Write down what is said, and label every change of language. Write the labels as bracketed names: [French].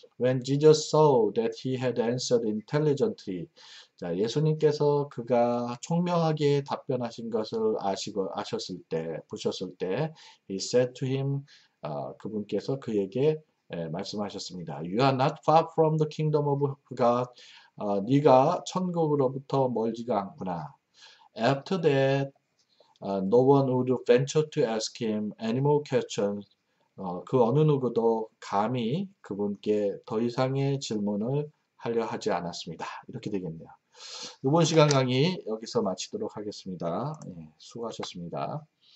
[English] When Jesus saw that he had answered intelligently. [Korean] 자, 예수님께서 그가 총명하게 답변하신 것을 아셨을 때, 보셨을 때, [English] he said to him, [Korean] 그분께서 그에게 말씀하셨습니다. [English] You are not far from the kingdom of God. [Korean] 네가 천국으로부터 멀지가 않구나. [English] After that, no one would venture to ask him any more questions. [Korean] 그 어느 누구도 감히 그분께 더 이상의 질문을 하려 하지 않았습니다. 이렇게 되겠네요. 이번 시간 강의 여기서 마치도록 하겠습니다. 수고하셨습니다.